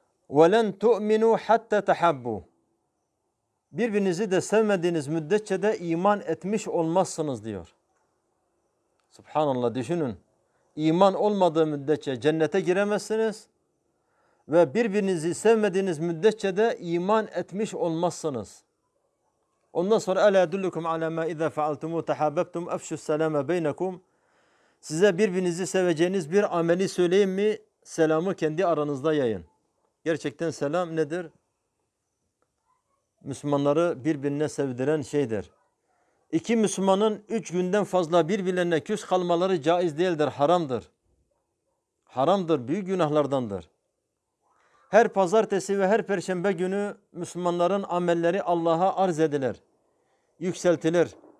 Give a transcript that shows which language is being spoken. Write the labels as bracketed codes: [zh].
[ar] وَلَنْ تُؤْمِنُوا حَتَّى تَحَبُّوا [tr] Birbirinizi de sevmediğiniz müddetçe de iman etmiş olmazsınız diyor. Subhanallah, düşünün. İman olmadığı müddetçe cennete giremezsiniz. Ve birbirinizi sevmediğiniz müddetçe de iman etmiş olmazsınız. Ondan sonra [ar] أَلَا يَدُلُّكُمْ عَلَى مَا اِذَا فَعَلْتُمُوا تَحَابَبْتُمْ اَفْشُ السَّلَامَ بَيْنَكُمْ [tr] Size birbirinizi seveceğiniz bir ameli söyleyeyim mi? Selamı kendi aranızda yayın. Gerçekten selam nedir? Müslümanları birbirine sevdiren şeydir. İki Müslümanın üç günden fazla birbirlerine küs kalmaları caiz değildir, haramdır. Haramdır, büyük günahlardandır. Her pazartesi ve her perşembe günü Müslümanların amelleri Allah'a arz edilir, yükseltilir.